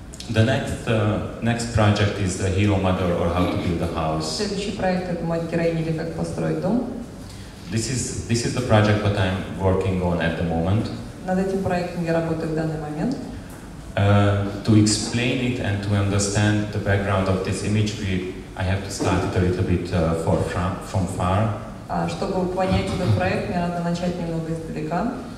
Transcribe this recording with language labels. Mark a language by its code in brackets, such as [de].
[en] The next project is the Hero Mother or How to Build a House. [ru] Следующий проект это мать-героиня или как построить дом. [en] This is the project that I'm working on at the moment. [ru] Над этим проектом я работаю в данный момент. [en] To explain it and to understand the background of this image, I have to start it a little bit from far. [ru] Чтобы понять этот проект, мне надо начать немного издалека.